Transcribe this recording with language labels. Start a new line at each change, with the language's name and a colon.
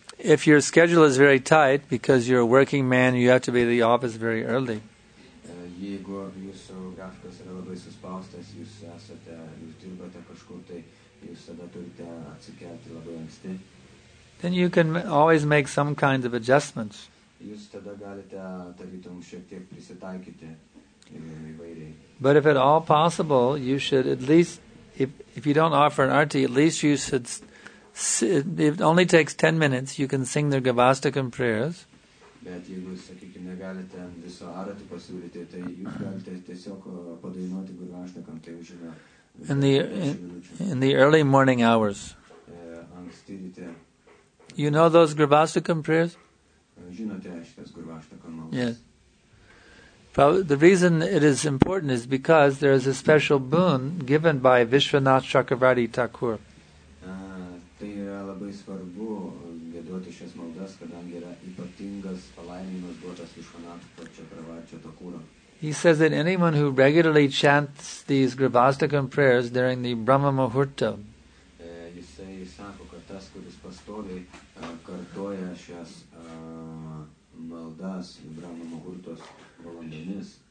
English: If your schedule is very tight, because you're a working man, you have to be at the office very early.
Lithuanian: Jeigu jūsų grafikas yra labai suspaustas, jūs esate, jūs dirbate kažkur, tai jūs tada turite atsikelti labai anksti.
English: Then you can always make some kind of adjustments.
Lithuanian: Jūs tada galite tarytum šiek tiek prisitaikyti įvairiai.
English: But if at all possible, you should at least, if you don't offer an arti, at least you should, if it only takes 10 minutes, you can sing their Gavastakam prayers.
Lithuanian: Bet jeigu, sakykime, negalite viso arati pasiūlyti, tai jūs galite tiesiog padainuoti Gurvaštakam, tai užima 10 minučių.
English: In the early morning hours.
Lithuanian: Anksti ryte.
English: You know those Gurvaštakam prayers?
Lithuanian: Žinote šitas Gurvaštakam maldas.
English: Yes. The reason it is important is because there is a special boon given by Vishwanath Chakravarti Thakur.
Lithuanian: Tai yra labai svarbu gėduoti šias maldas, kadangi yra ypatingas palaiminimas duotas iš Vishwanatha Chakravarti Thakura.
English: He says that anyone who regularly chants these Gurvaštakam prayers during the Brahma Muhurta,
Lithuanian: jisai sako, kad tas, kuris pastoviai kartoja šias maldas Brahma Muhurtos valandomis,